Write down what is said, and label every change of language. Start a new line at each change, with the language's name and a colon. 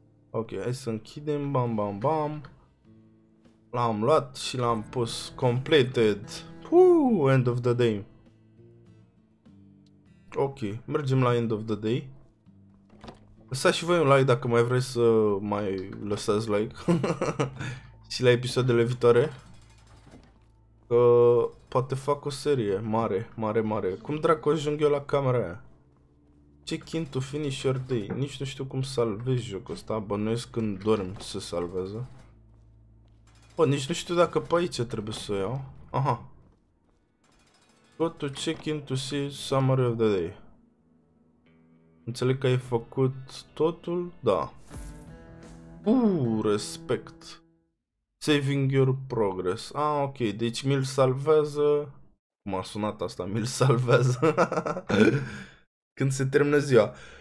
Romanian: Ok, hai să închidem, bam, bam, bam. L-am luat și l-am pus completed.
English: Puh, end of the day.
Romanian: Ok, mergem la
English: end of the day.
Romanian: Lăsați și voi un like dacă mai vreți să mai lăsați like. Și la episoadele viitoare. Că poate fac o serie mare, mare, mare. Cum dracu ajung eu la camera aia?
English: Check in to finish your day.
Romanian: Nici nu știu cum salvez jocul ăsta. Bănuiesc când dorm să salveze. Bă, nici nu știu dacă pe aici trebuie să o iau. Aha.
English: Go to check in to see summary of the day.
Romanian: Înțeleg că ai făcut totul? Da. Respect.
English: Saving your progress.
Romanian: Ah, ok, deci mi-l salvează. Cum a sunat asta? Mi-l salvează. Când se termină ziua.